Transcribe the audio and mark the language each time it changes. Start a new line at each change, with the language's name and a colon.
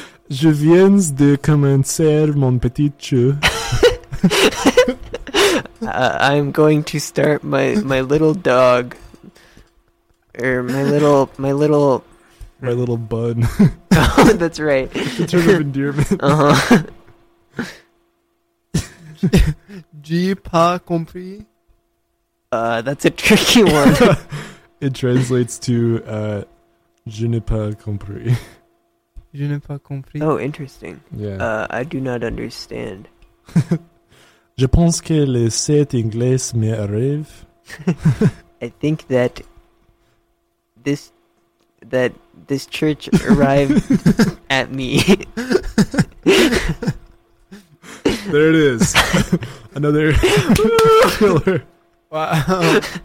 French: Je viens de commencer mon petit jeu.
English: I'm going to start my little dog, or my little bun. Oh, that's right. The term of endearment. Uh-huh.
French: J'ai pas compris.
English: That's a tricky one. It translates to je n'ai pas compris.
French: Je n'ai pas compris.
English: Oh, interesting. Yeah. I do not understand.
French: Je pense que le set anglais me arrive.
English: I think that this church arrived at me. There it is. Another killer. Wow.